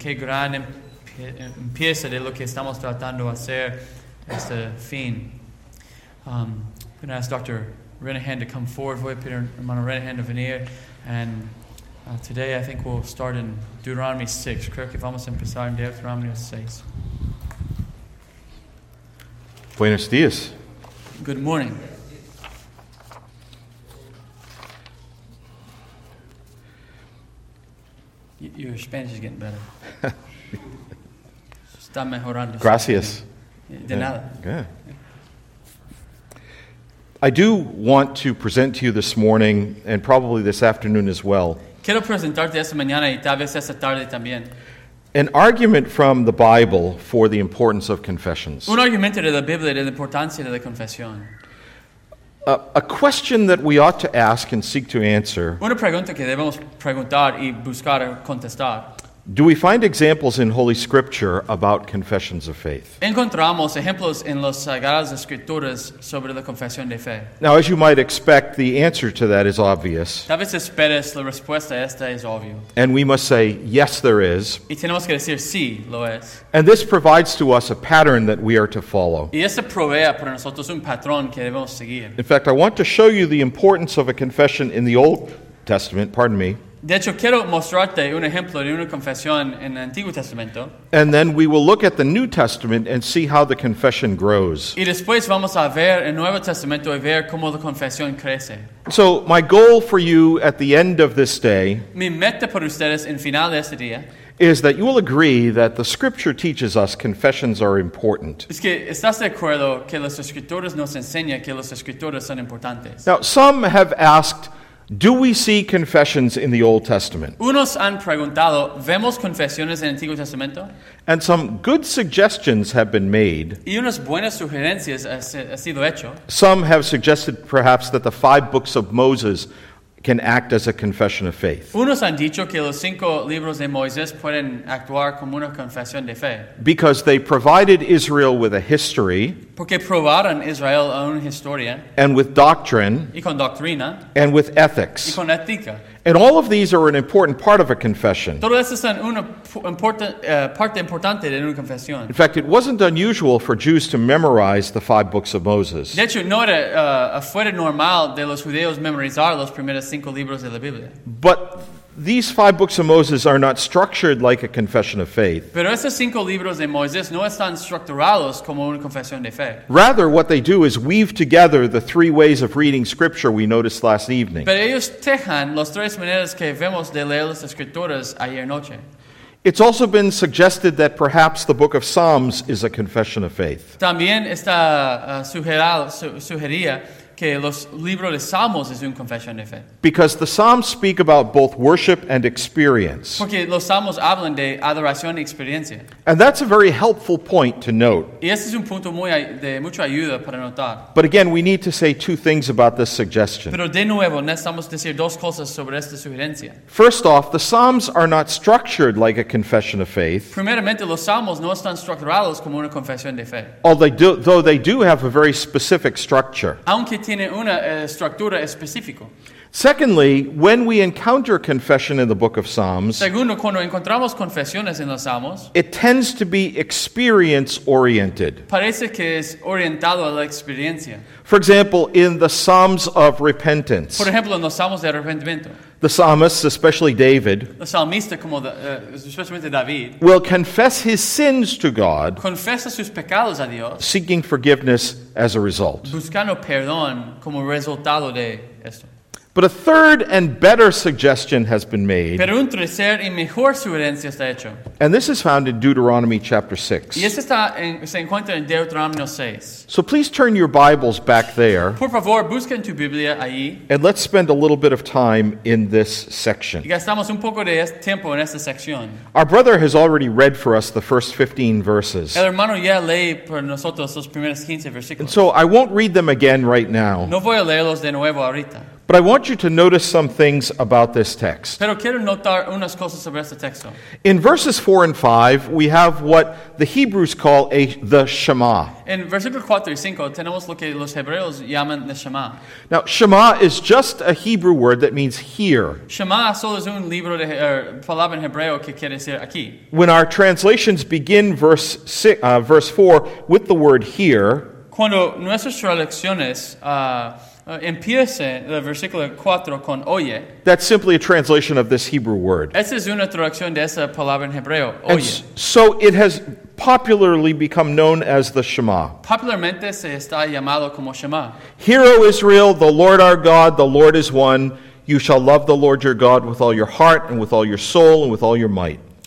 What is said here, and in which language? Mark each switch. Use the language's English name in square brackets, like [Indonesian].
[Spanish] Qué gran empieza de lo que estamos tratando de hacer este fin. [English] I'm going to ask Dr. Renahan to come forward. [Spanish] Voy a pedir hermano Renahan [English] to venir. And today I think we'll start in Deuteronomy 6. [Spanish] Creo que vamos a empezar en Deuteronomy 6. Buenos dias. [English] Good morning. Your Spanish is getting better. [Spanish] Está mejorando. Gracias. De nada. Yeah. [English] I do want to present to you this morning and probably this afternoon as well. [Spanish] Quiero presentarte esta mañana y tal vez esta tarde también. [English] An argument from the Bible for the importance of confessions. [Spanish] Un argumento de la Biblia de la importancia de la confesión. [English] A question that we ought to ask and seek to answer. [Spanish] Una pregunta que debemos preguntar y buscar contestar. [English] Do we find examples in Holy Scripture about confessions of faith? [Spanish] Encontramos ejemplos en las Sagradas Escrituras sobre la confesión de fe. [English] Now, as you might expect, the answer to that is obvious. [Spanish] Tal vez esperes la respuesta a esta es obvio. [English] And we must say, yes, there is. [Spanish] Y tenemos que decir, sí, lo es. [English] And this provides to us a pattern that we are to follow. [Spanish] Y esta provee para nosotros un patrón que debemos seguir. [English] In fact, I want to show you the importance of a confession in the Old Testament, pardon me. [Spanish] De hecho, quiero mostrarte un ejemplo de una confesión en el Antiguo Testamento. [English] And then we will look at the New Testament and see how the confession grows. [Spanish] Y después vamos a ver el Nuevo Testamento y ver cómo la confesión crece. [English] So, my goal for you at the end of this day, [Spanish] mi meta para ustedes en final de este día, [English] is that you will agree that the Scripture teaches us confessions are important. [Spanish] Es que estás de acuerdo que las Escrituras nos enseñan que las Escrituras son importantes. [English] Now, some have asked, do we see confessions in the Old Testament? [Spanish] Unos han preguntado, ¿vemos confesiones en el Antiguo Testamento? [English] And some good suggestions have been made. [Spanish] Y unas buenas sugerencias ha sido hecho. [English] Some have suggested perhaps that the five books of Moses can act as a confession of faith. [Spanish] Unos han dicho que los cinco libros de Moisés pueden actuar como una confesión de fe. [English] Because they provided Israel with a history. [Spanish] Porque probaron Israel a una historia. [English] And with doctrine. [Spanish] Y con doctrina. [English] And with ethics. [Spanish] Y con ética. [English] And all of these are an important part of a confession. [Spanish] Todo eso es una parte importante de una confesión. [English] In fact, it wasn't unusual for Jews to memorize the five books of Moses. [Spanish] De hecho, no era fuera normal de los judíos memorizar los primeros cinco libros de la Biblia. [English] But these five books of Moses are not structured like a confession of faith. [Spanish] Pero esos cinco libros de Moisés no están estructurados como una confesión de fe. [English] Rather, what they do is weave together the three ways of reading Scripture we noticed last evening. [Spanish] Pero ellos tejan las tres maneras que vemos de leer las Escrituras ayer noche. [English] It's also been suggested that perhaps the book of Psalms is a confession of faith. [Spanish] También está sugerida que los libros de Salmos es una confesión de fe. [English] Because the Psalms speak about both worship and experience. [Spanish] Porque los Salmos hablan de adoración y experiencia. [English] And that's a very helpful point to note. [Spanish] Y ese es un punto muy de mucha ayuda para notar. [English] But again, we need to say two things about this suggestion. [Spanish] Pero de nuevo, necesitamos decir dos cosas sobre esta sugerencia. [English] First off, the Psalms are not structured like a confession of faith. [Spanish] Primeramente, los Salmos no están estructurados como una confesión de fe. [English] Although they do have a very specific structure. [Spanish] Aunque tiene una estructura específica. [English] Secondly, when we encounter confession in the book of Psalms, [Spanish] segundo, cuando encontramos confesiones en los Salmos, [English] it tends to be experience-oriented. [Spanish] Parece que es orientado a la experiencia. [English] For example, in the Psalms of Repentance, [Spanish] por ejemplo, en los Salmos de arrepentimiento, [English] the psalmist, especially David, [Spanish] el salmista, como especialmente David, [English] will confess his sins to God, [Spanish] confesa sus pecados a Dios, [English] seeking forgiveness as a result. [Spanish] Buscando perdón como resultado de esto. [English] But a third and better suggestion has been made. [Spanish] Pero un tercer y mejor sugerencia está hecho. [English] And this is found in Deuteronomy chapter 6. [Spanish] Y este está en, se encuentra en Deuteronomio 6. [English] So please turn your Bibles back there. [Spanish] Por favor, busquen tu Biblia ahí. [English] And let's spend a little bit of time in this section. [Spanish] Y gastamos un poco de tiempo en esta sección. [English] Our brother has already read for us the first 15 verses. [Spanish] El hermano ya lee para nosotros los primeros 15 versículos. [English] And so I won't read them again right now. [Spanish] No voy a leerlos de nuevo ahorita. [English] But I want you to notice some things about this text. [Spanish] Pero quiero notar unas cosas sobre este texto. [English] In verses 4 and 5, we have what the Hebrews call the Shema. [Spanish] En versículos 4 y 5, tenemos lo que los hebreos llaman el Shema. [English] Now, Shema is just a Hebrew word that means hear. [Spanish] Shema solo es un libro de palabra en hebreo que quiere decir aquí. [English] When our translations begin verse 4 with the word hear, [Spanish] cuando nuestras traducciones empieza el versículo 4 con oye. [English] That's simply a translation of this Hebrew word. [Spanish] Esa es una traducción de esa palabra en hebreo, oye. [English] And so it has popularly become known as the Shema. [Spanish] Popularmente se está llamado como Shema. [English] Hear, O Israel, the Lord our God, the Lord is one. You shall love the Lord your God with all your heart and with all your soul and with all your might.